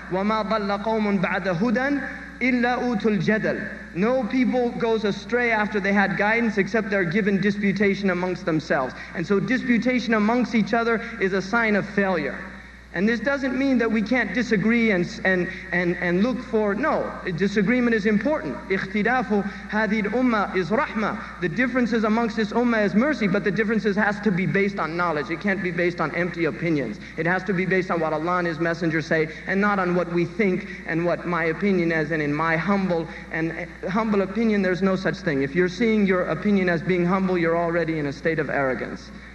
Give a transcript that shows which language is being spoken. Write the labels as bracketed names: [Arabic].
[Arabic] وَمَا ضَلَّ قَوْمٌ بَعْدَ هُدًى إِلَّا أُوتُ الْجَدَلِ. [English] No people goes astray after they had guidance, except they're given disputation amongst themselves. And so disputation amongst each other is a sign of failure. And this doesn't mean that we can't disagree and look for... No, disagreement is important. [Arabic] اِخْتِدَافُ هَذِهِ الْأُمَّةِ [English] is rahmah. The differences amongst this ummah is mercy, but the differences has to be based on knowledge. It can't be based on empty opinions. It has to be based on what Allah and His Messenger say, and not on what we think and what my opinion is. And in my humble opinion, there's no such thing. If you're seeing your opinion as being humble, you're already in a state of arrogance.